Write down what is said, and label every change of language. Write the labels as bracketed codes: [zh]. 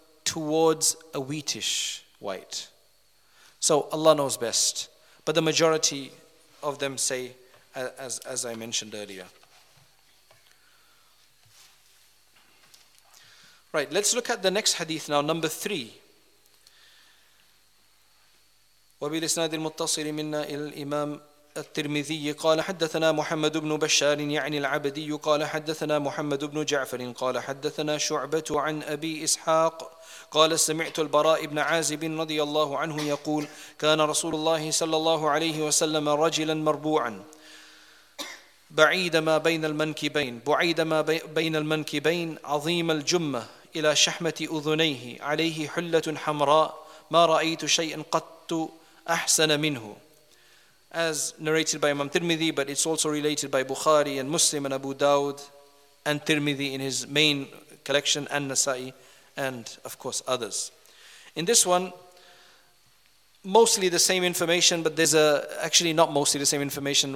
[en] towards a wheatish white. So Allah knows best. But the majority of them say, as I mentioned earlier. Right, let's look at the next hadith now, number 3. [ar] وبالإسناد المتصل منا إلى الإمام الترمذي قال حدثنا محمد بن بشار يعني العبدي قال حدثنا محمد بن جعفر قال حدثنا شعبة عن أبي إسحاق قال سمعت البراء بن عازب رضي الله عنه يقول كان رسول الله صلى الله عليه وسلم رجلا مربوعا بعيد ما بين المنكبين بعيد ما بين المنكبين عظيم الجمة إلى شحمة أذنيه عليه حلة حمراء ما رأيت شيئا قط أحسن منه. [en] As narrated by Imam Tirmidhi, but it's also related by Bukhari and Muslim and Abu Dawud and Tirmidhi in his main collection, and Nasa'i, and of course others. In this one, mostly the same information, but there's not mostly the same information.